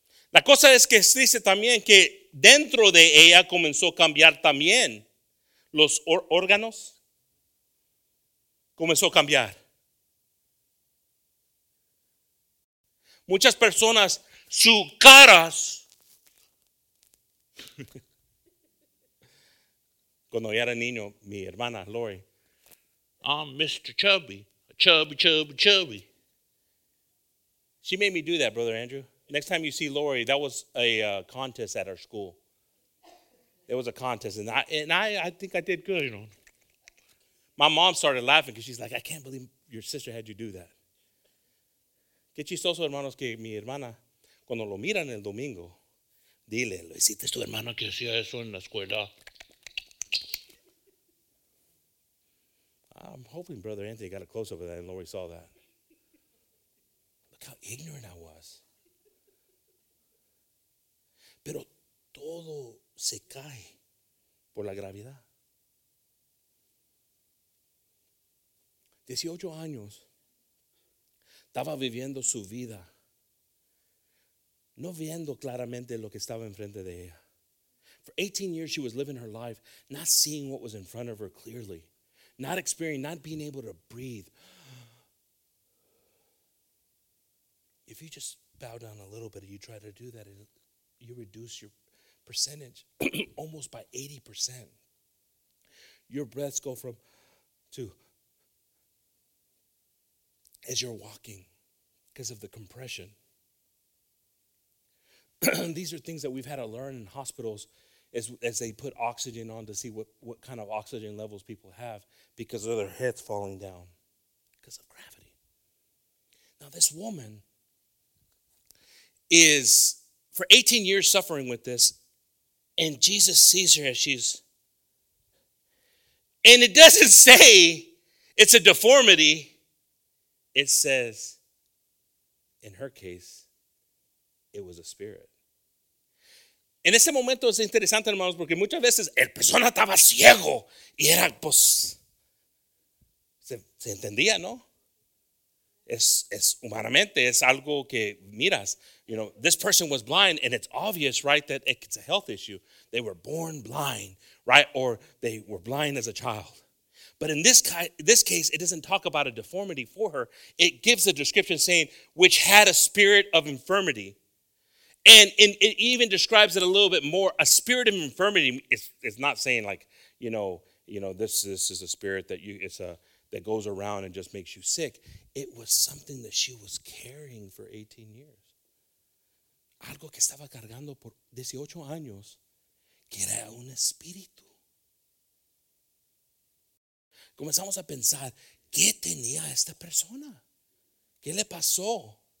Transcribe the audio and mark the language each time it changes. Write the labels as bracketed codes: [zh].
[es] La cosa es que dice también que dentro de ella comenzó a cambiar también los órganos. Comenzó a cambiar. Muchas personas, sus caras, cuando yo era niño, mi hermana Lori, [en] I'm Mr. Chubby, Chubby, Chubby, Chubby. She made me do that, Brother Andrew. Next time you see Lori, that was a contest at our school. It was a contest, and I think I did good, you know. My mom started laughing because she's like, I can't believe your sister had you do that. [es] Qué chistoso, hermanos, que mi hermana, cuando lo miran el domingo, dile, ¿lo hiciste tu hermana que hacía eso en la escuela? [en] I'm hoping Brother Anthony got a close-up of that and Lori saw that. Look how ignorant I was. [es] Pero todo se cae por la gravedad. 18 años estaba viviendo su vida, no viendo claramente lo que estaba enfrente de ella. [en] For 18 years she was living her life, not seeing what was in front of her clearly, not experiencing, not being able to breathe. If you just bow down a little bit and you try to do that, you reduce your percentage almost by 80%. Your breaths go from to as you're walking because of the compression. These are things that we've had to learn in hospitals as they put oxygen on to see what kind of oxygen levels people have because of their heads falling down because of gravity. Now this woman is for 18 years suffering with this, and Jesus sees her as she's, and it doesn't say it's a deformity. It says, in her case, it was a spirit. [es] En ese momento es interesante, hermanos, porque muchas veces el persona estaba ciego y era, pues, se entendía, ¿no? Es humanamente, es algo que miras. [en] You know, this person was blind, and it's obvious, right, that it's a health issue. They were born blind, right, or they were blind as a child. But in this case, it doesn't talk about a deformity for her. It gives a description saying, which had a spirit of infirmity. And it even describes it a little bit more. A spirit of infirmity is not saying like, you know, this is a spirit that that goes around and just makes you sick. It was something that she was carrying for 18 years. [es] Algo que estaba cargando por 18 años, que era un espíritu. Comenzamos a pensar, ¿qué tenía esta persona? ¿Qué le pasó?